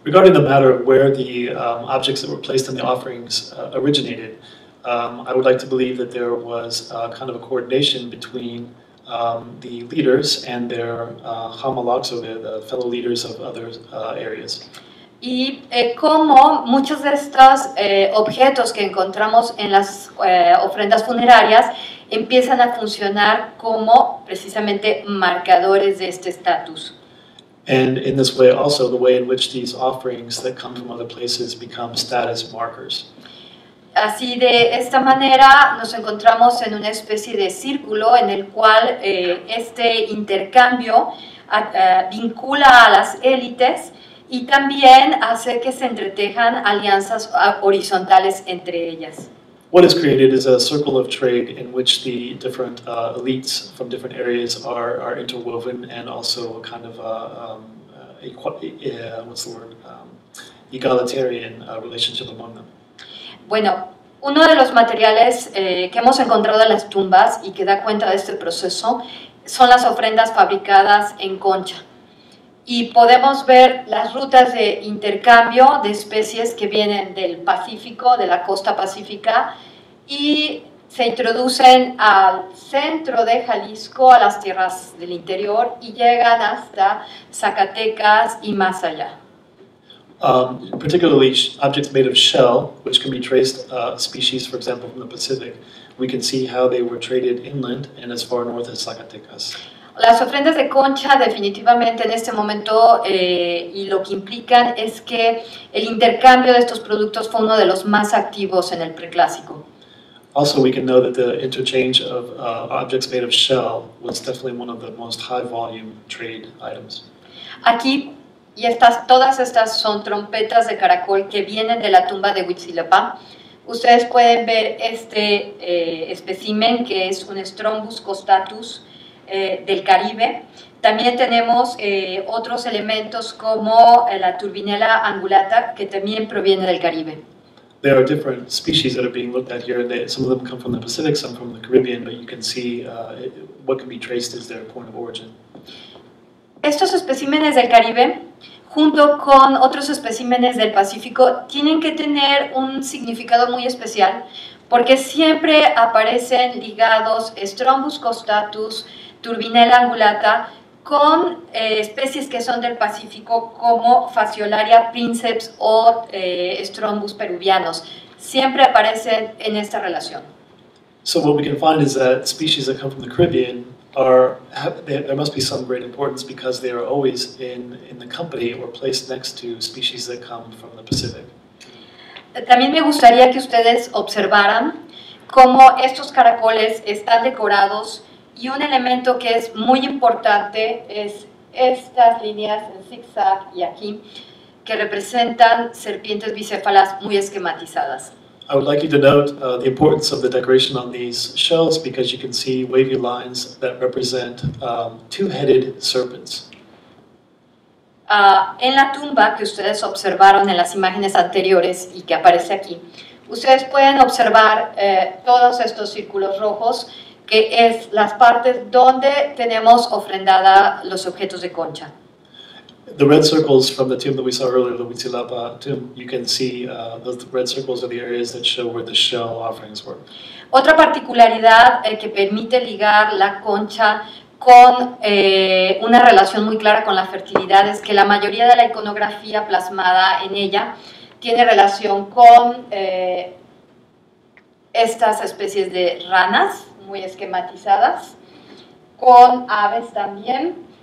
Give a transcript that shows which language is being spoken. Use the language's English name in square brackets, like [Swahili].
[English] Regarding the matter of where the objects that were placed in the offerings originated, I would like to believe that there was kind of a coordination between the leaders and their homologues, or the fellow leaders of other areas. [Spanish] Y como muchos de estos objetos que encontramos en las ofrendas funerarias empiezan a funcionar como precisamente marcadores de este estatus. [English] And in this way also, the way in which these offerings that come from other places become status markers. [Spanish] Así, de esta manera, nos encontramos en una especie de círculo en el cual este intercambio vincula a las élites y también hace que se entretejan alianzas horizontales entre ellas. [English] What is created is a circle of trade in which the different elites from different areas are interwoven, and also a kind of egalitarian relationship among them. [Spanish] Bueno, uno de los materiales que hemos encontrado en las tumbas y que da cuenta de este proceso son las ofrendas fabricadas en concha. Y podemos ver las rutas de intercambio de especies que vienen del Pacífico, de la costa pacífica, y se introducen al centro de Jalisco, a las tierras del interior, y llegan hasta Zacatecas y más allá. [English] Particularly objects made of shell, which can be traced, species, for example, from the Pacific, we can see how they were traded inland and as far north as Zacatecas. [Spanish] Las ofrendas de concha definitivamente en este momento y lo que implican es que el intercambio de estos productos fue uno de los más activos en el preclásico. [English] Also, we can know that the interchange of objects made of shell was definitely one of the most high volume trade items. [Spanish] Aquí, y estas, todas estas son trompetas de caracol que vienen de la tumba de Huitzilopochtli. Ustedes pueden ver este espécimen que es un Strombus costatus del Caribe. También tenemos otros elementos como la Turbinella angulata que también proviene del Caribe. [English] There are different species that are being looked at here. Some of them come from the Pacific, some from the Caribbean, but you can see what can be traced as their point of origin. [Spanish] Estos especímenes del Caribe, junto con otros especímenes del Pacífico, tienen que tener un significado muy especial, porque siempre aparecen ligados Strombus costatus, Turbinella angulata, con especies que son del Pacífico como Fasciolaria princeps o Strombus peruvianos. Siempre aparecen en esta relación. [English] So what we can find is that species that come from the Caribbean there must be some great importance because they are always in the company or placed next to species that come from the Pacific. [Spanish] También me gustaría que ustedes observaran cómo estos caracoles están decorados. Y un elemento que es muy importante es estas líneas en zigzag y aquí, que representan serpientes bicéfalas muy esquematizadas. [English] I would like you to note the importance of the decoration on these shells because you can see wavy lines that represent two-headed serpents. [Spanish] En la tumba que ustedes observaron en las imágenes anteriores y que aparece aquí, ustedes pueden observar todos estos círculos rojos que es las partes donde tenemos ofrendada los objetos de concha. [English] The red circles from the tomb that we saw earlier, the Huitzilopochtli tomb, you can see those red circles are the areas that show where the shell offerings were. [Spanish] Otra particularidad que permite ligar la concha con una relación muy clara con la fertilidad es que la mayoría de la iconografía plasmada en ella tiene relación con estas especies de ranas, muy esquematizadas, con aves también.